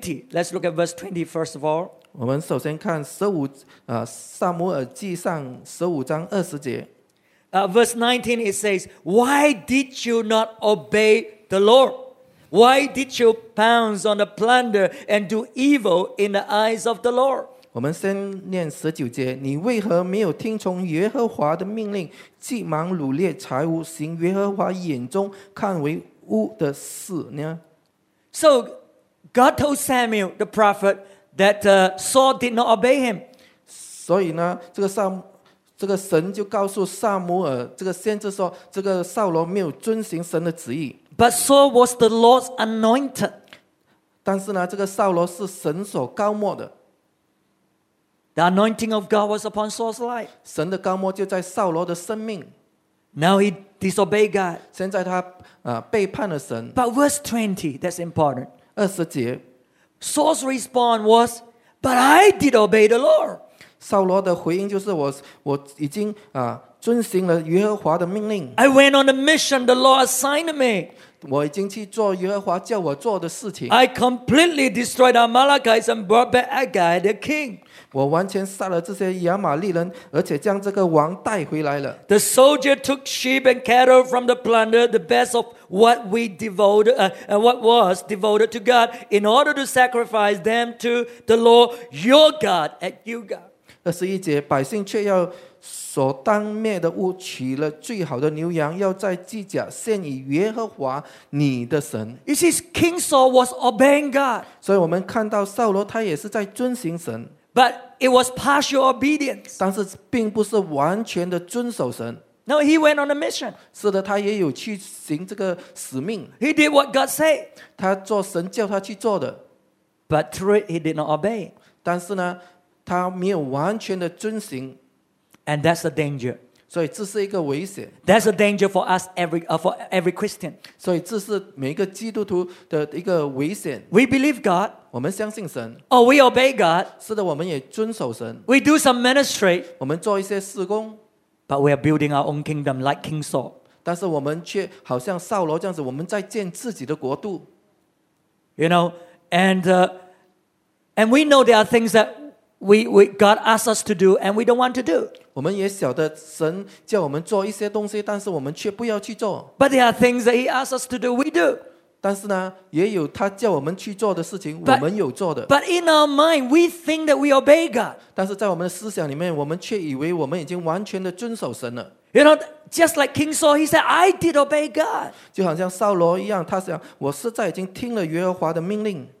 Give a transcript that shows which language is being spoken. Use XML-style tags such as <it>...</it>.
<en>Let's look at verse 20 first of all.</en> <zh>我们首先看撒母耳记上15:20。</zh> <en>Verse 19 it says, "Why did you not obey the Lord? Why did you pounce on the plunder and do evil in the eyes of the Lord?"</en> <zh>我们先念十九节，你为何没有听从耶和华的命令，急忙掳掠财物，行耶和华眼中看为恶的事呢</zh> <en>？So God told Samuel, the prophet, that Saul did not obey him.</en> <zh>所以呢，这个神就告诉撒母耳，这个先知说，这个扫罗没有遵行神的旨意。</zh> <en>But Saul was the Lord's anointed.</en> <zh>但是呢，这个扫罗是神所膏抹的。</zh> <en>The anointing of God was upon Saul's life.</en> <zh>神的膏抹就在扫罗的生命。</zh> <en>Now he disobeyed God.</en> <zh>现在他背叛了神。</zh> <en>But verse 20, that's important.</en> <zh>二十节。</zh> <en>Saul's response was, "But I did obey the Lord."</en> <zh>扫罗的回应就是我已经遵循了耶和华的命令。</zh> <en>I went on a mission the Lord assigned me.</en> <zh>我已经去做耶和华叫我做的事情。</zh> <en>I completely destroyed the Amalekites and brought back Agag the king.</en> <zh>我完全杀了这些亚玛利人，而且将这个王带回来了。</zh> <en>The soldier took sheep and cattle from the plunder, the best of what we devoted, what was devoted to God, in order to sacrifice them to the Lord your God at Gilgal.</en> <zh>二十一节，百姓却要所当灭的物，取了最好的牛羊，要在基甲献以耶和华你的神。</zh> <en>You see, King Saul was obeying God.</en> <zh>所以我们看到扫罗他也是在遵循神。</zh> <en>But it was partial obedience.</en> <zh>但是并不是完全的遵守神。</zh> <en>No, he went on a mission.</en> <zh>是的，他也有去行这个使命。</zh> <en>He did what God said.</en> <zh>他做神叫他去做的。</zh> <en>But through it, he did not obey.</en> <zh>但是呢，他没有完全的遵循。</zh> <en>And that's a danger.</en> <zh>所以这是一个危险。</zh> <en>That's a danger for us every Christian.</en> <zh>所以这是每个基督徒的一个危险。</zh> <en>We believe God.</en> <zh>我们相信神。</zh> <en>Oh, we obey God.</en> <zh>是的，我们也遵守神。</zh> <en>We do some ministry.</en> <zh>我们做一些事工。</zh> <en>But we are building our own kingdom like King Saul.</en> <zh>但是我们却好像扫罗这样子，我们在建自己的国度。</zh> <en>You know, and we know there are things that we God asks us to do and we don't want to do.</en> <zh>我们也晓得神叫我们做一些东西，但是我们却不要去做。</zh> <en>But there are things that He asks us to do, we do.</en> <zh>但是呢，也有他叫我们去做的事情，我们有做的。</zh> <en>But in our mind, we think that we obey God.</en> <zh>但是在我们的思想里面，我们却以为我们已经完全的遵守神了。</zh> <en>You know, just like King Saul, he said, "I did obey God."</en> <zh>就好像扫罗一样，他想我实在已经听了耶和华的命令。</zh>